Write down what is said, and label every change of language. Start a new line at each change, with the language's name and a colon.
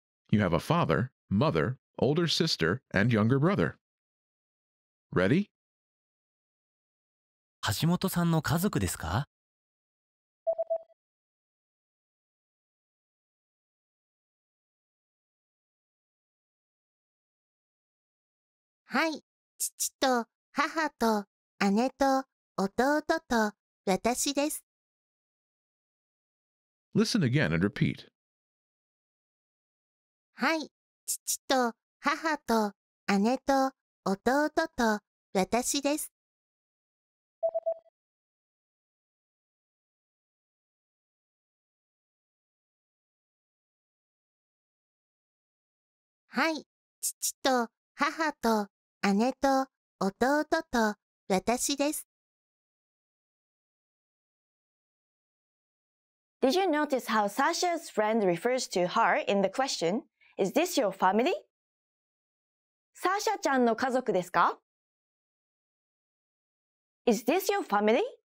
English: You have a father, mother, older sister, and younger brother. Ready?
Japanese: 橋本さんの家族ですか? はい、父と母と姉と弟と私です。
English: Listen again and repeat.
Japanese: はい、父と母と姉と弟と私です。はい、父と母と姉と弟と私です。
English: Did you notice how Sasha's friend refers to her in the question, Is this your family?
Japanese: Sasha-chan の家族ですか?
English: Is this your family?